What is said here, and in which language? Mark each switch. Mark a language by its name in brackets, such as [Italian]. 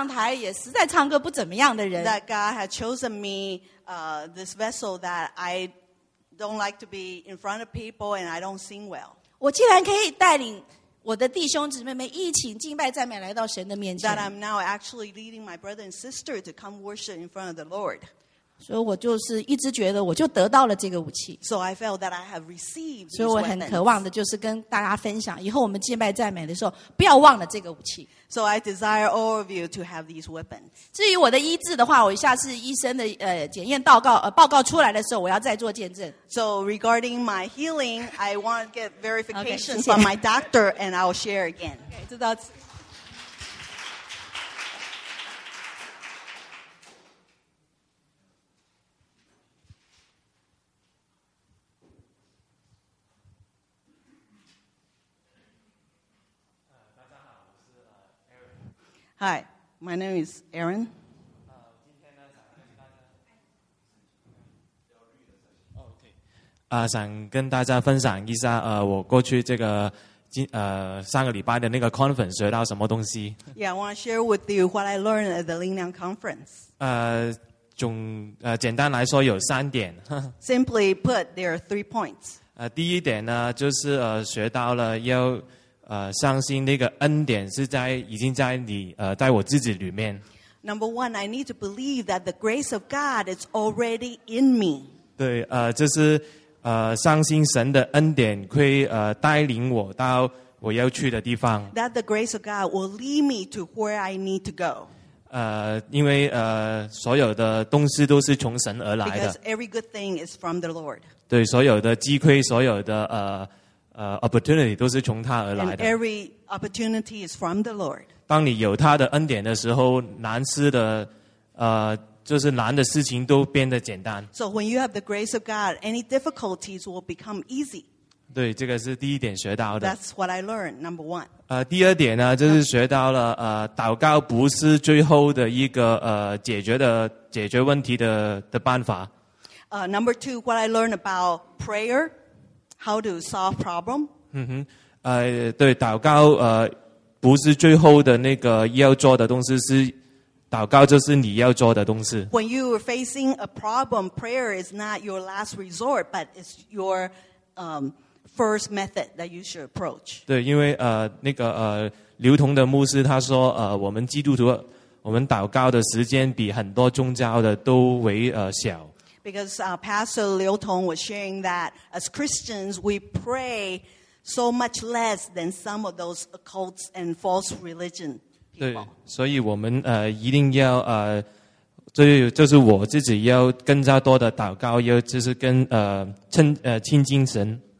[Chinese] 哇，神怎么会拣选我这个？根本我以前不敢上台，也实在唱歌不怎么样的人。 [English] That God had chosen me, this vessel that I don't like to be in front of people and I don't sing well. [Chinese] 我竟然可以带领我的弟兄姊妹们一起敬拜赞美来到神的面前。 [English] That I'm now actually leading my brother and sister to come worship in front of the Lord. [Chinese] 所以我就是一直觉得我就得到了这个武器。 [English] So I felt that I have received these [Chinese] 所以我很渴望的就是跟大家分享，以后我们敬拜赞美的时候，不要忘了这个武器。 [English] So I desire all of you to have these weapons. [Chinese] 至于我的医治的话，我下次医生的检验报告出来的时候，我要再做见证。 [English] So regarding my healing, I want to get verification from my doctor, and I'll share again. [Chinese] Okay, 知道。 [English] Hi, my name is Aaron. [Chinese] Okay. 想跟大家分享一下，我过去这个上个礼拜的那个 conference 学到什么东西。 [English] Yeah, I want to share with you what I learned at the Lingliang conference. [Chinese] 简单来说有三点。 [English] Simply put, there are 3 points. [Chinese] 第一点呢，就是学到了要。相信那个恩典是在已经在你，在我自己里面。 [English] Number one, I need to believe that the grace of God is already in me. [Chinese] 对，就是相信神的恩典会带领我到我要去的地方。 [English] That the grace of God will lead me to where I need to go. [Chinese] 因为所有的东西都是从神而来的。 [English] Because every good thing is from the Lord. [Chinese] 对，所有的机会，所有的opportunity 都是从他而来的。 [English] And every opportunity is from the Lord. [Chinese] 当你有他的恩典的时候，难事的就是难的事情都变得简单。 [English] So when you have the grace of God, any difficulties will become easy. [Chinese] 对，这个是第一点学到的。 [English] That's what I learned, number one. [Chinese] 第二点呢，就是学到了祷告不是最后的一个解决问题的办法。 [English] Number two, what I learned about prayer, how to solve problem. [Chinese] 对，祷告不是最后的那个要做的东西，是祷告就是你要做的东西。 [English] When you are facing a problem, prayer is not your last resort, but it's your first method that you should approach. [Chinese] 对，因为刘同的牧师他说我们基督徒我们祷告的时间比很多宗教的都为小。 [English] Because Pastor Liu Tong was sharing that as Christians we pray so much less than some of those cults and false religion people. [Chinese] 对，所以我们一定要所以就是我自己要更加多的祷告，要就是跟亲近神。